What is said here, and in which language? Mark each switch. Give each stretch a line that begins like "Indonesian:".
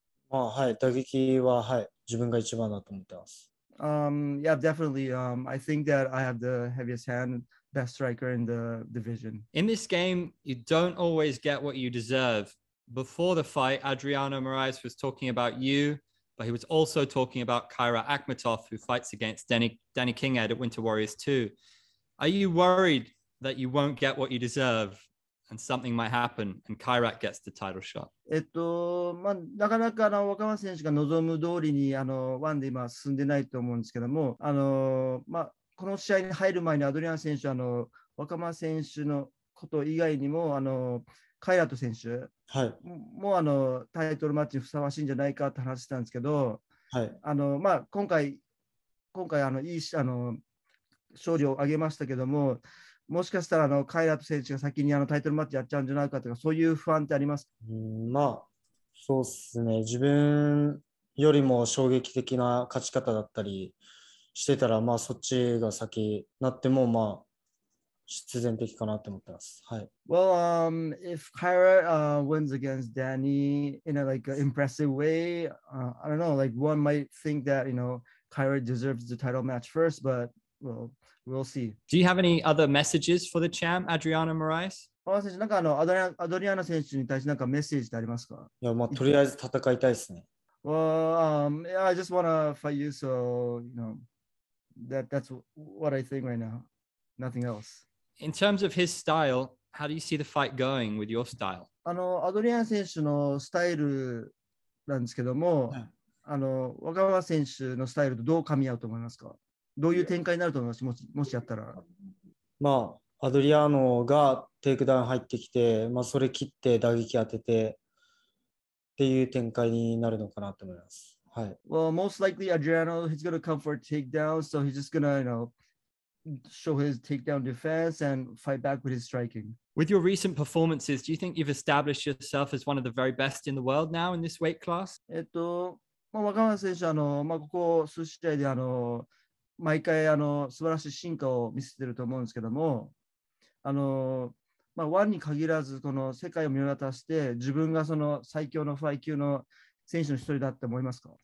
Japanese: まあはい、打撃は、はい、自分が一番だと思ってます。
English: Yeah, definitely. I think that I have the heaviest hand, best striker in the division. In this game, you don't always get what you deserve. Before the fight, Adriano Moraes was talking about you, but he was also talking about Kyra Akhmatov, who fights against Danny Kinghead at Winter Warriors 2. Are you worried that you won't get what you deserve and something might happen and Kyra gets the title shot?
Japanese: まあ、なかなかあの若松選手が望む通りにあのワンで今進んでないと思うんですけども、あの、まあ、この試合に入る前にアドリアン選手、あの若松選手のこと以外にもあのカイラト選手、はい、もうあのタイトルマッチにふさわしいんじゃないかって話してたんですけど、はい、あのまあ、今回あのいいあの勝利を挙げましたけども、もしかしたらあのカイラト選手が先にあのタイトルマッチやっちゃうんじゃないかとか、そういう不安ってありますか？まあそうですね、自分よりも衝撃的な勝ち方だったりしてたら、まあ、そっちが先になっても、まあ必然的かなって思ってます。はい。
English: Well, if Kyra wins against Danny in a like impressive way, I don't know, like one might think that, you know, Kyra deserves the title match first, but well, we'll see. Do you have any other messages for the champ, Adriano Moraes?
Japanese: Well, 選手、なんかあのアドリアナ選手に対してなんかメッセージってありますか？いや、まあとりあえず戦いたいですね。
English: Well, yeah, I just wanna fight you, so you know, that's what I think right now. Nothing else. In terms of his style, how do you see the fight going with your style?
Japanese: あの、アドリアン選手のスタイルなんですけども、あの、若松選手のスタイルとどう噛み合うと思いますか？どういう展開になると思います？もしやったら。まあ、アドリアーノがテイクダウン入ってきて、まあ、それ切って打撃当ててっていう展開になるのかなと思います。はい。
English: Well, most likely Adriano, he's going to come for a takedown, so he's just going to, you know,show his takedown defense and fight back with his striking. With your recent performances, do you think you've established yourself as one of the very best in the world now in this weight class?
Japanese: まあ、若松選手、あの、まあ、ここ数試合で、あの、毎回、あの、素晴らしい進化を見せてると思うんですけども、あの、まあ、ワンに限らず、この世界を見渡して、自分がその最強のフライ級の選手の一人だって思いますか？